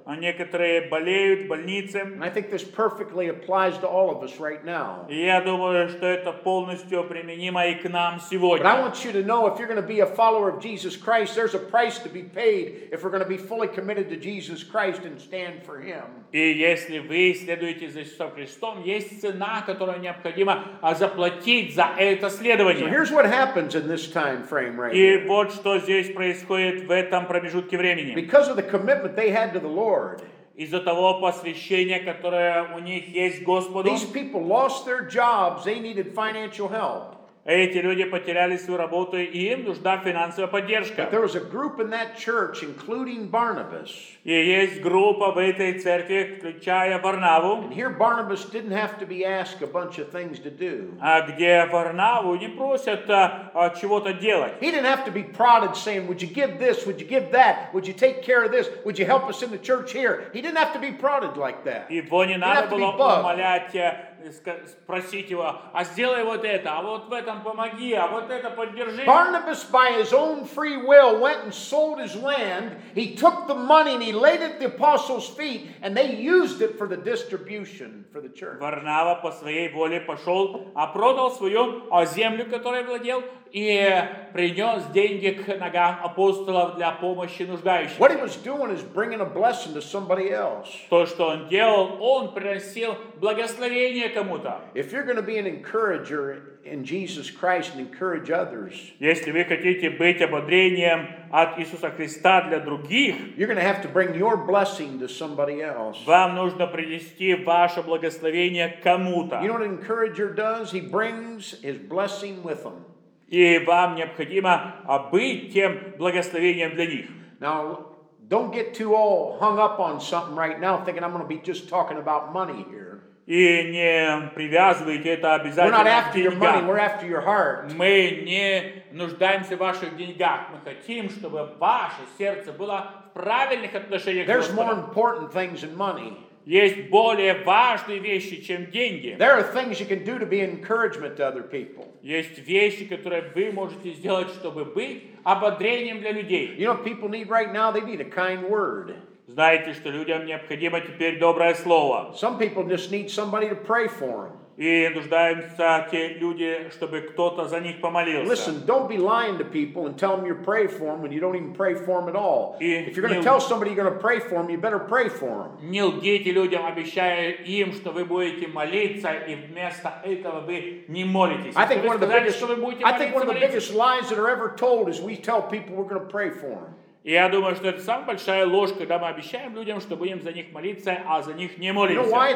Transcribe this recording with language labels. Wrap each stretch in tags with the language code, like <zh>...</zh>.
<ru>А некоторые болеют в больнице.</ru> <en>And I think this perfectly applies to all of us right now.</en> <ru>И я думаю, что это полностью применимо и к нам сегодня.</ru> <en>But I want you to know, if you're going to be a follower of Jesus Christ, there's a price to be paid if we're going to be fully committed to Jesus Christ and stand for Him.</en> <ru>И если вы следуете за Иисусом Христом, есть цена, которую необходимо заплатить за это следование.</ru> <en>So here's what happens in this time frame right here.</en> <ru>И вот что здесь происходит в этом промежутке времени.</ru> <en>Because of the commitment they had to the Lord.</en> <ru>Из-за того посвящения, которое у них есть Господу.</ru> <en>These people lost their jobs. They needed financial help.</en> <ru>Эти люди потеряли свою работу, и им нужна финансовая поддержка.</ru> <en>But there was a group in that church, including Barnabas.</en> <ru>И есть группа в этой церкви, включая Варнаву.</ru> <en>And here Barnabas didn't have to be asked a bunch of things to do.</en> <ru>А где Варнаву не просят чего-то делать.</ru> <en>He didn't have to be prodded saying, would you give this, would you give that, would you take care of this, would you help us in the church here? He didn't have to be prodded like that.</en> <ru>Его не надо было умолять, спросить его, а сделай вот это, а вот в этом помоги, а вот это поддержи.</ru> <en>Barnabas, by his own free will, went and sold his land. He took the money and he laid it at the apostles' feet, and they used it for the distribution for the church.</en> <ru>Варнава по своей воле пошел, а продал свою землю, которой владел, и принес деньги к ногам апостолов для помощи нуждающимся.</ru> <en>What he was doing is bringing a blessing to somebody else.</en> <ru>То, что он делал, он приносил благословение кому-то.</ru> <en>If you're going to be an encourager in Jesus Christ and encourage others,</en> <ru>если вы хотите быть ободрением от Иисуса Христа для других,</ru> <en>you're going to have to bring your blessing to somebody else.</en> <ru>Вам нужно принести ваше благословение кому-то.</ru> <en>You know what an encourager does? He brings his blessing with him.</en> <ru>И вам необходимо быть тем благословением для них.</ru> <en>Now, Don't get too all hung up on something right now, thinking I'm going to be just talking about money here.</en> <ru>И не привязывайте это обязательно</ru> <en>We're not after your money, we're after your heart.</en> <ru>Мы не нуждаемся в ваших деньгах. Мы хотим, чтобы ваше сердце было в правильных отношениях.</ru> <en>There's more important things than money.</en> <ru>Есть более важные вещи, чем деньги.</ru> <en>There are things you can do to be encouragement to other people.</en> <ru>Есть вещи, которые вы можете сделать, чтобы быть ободрением для людей.</ru> <en>You know what people need right now? They need a kind word.</en> <ru>Знаете, что людям необходимо теперь доброе слово.</ru> <en>Some people just need somebody to pray for them.</en> <ru>И нуждаются те люди, чтобы кто-то за них помолился.</ru> <en>Listen, don't be lying to people and tell them you're praying for them when you don't even pray for them at all. If you're going to tell somebody you're going to pray for them, you better pray for them.</en> <ru>Не лгите людям, обещая им, что вы будете молиться, и вместо этого вы не молитесь.</ru> <en>I think one of the biggest lies that are ever told is we tell people we're going to pray for them.</en> <ru>И я думаю, что это самая большая ложь, когда мы обещаем людям, что будем за них молиться, а за них не молимся.</ru>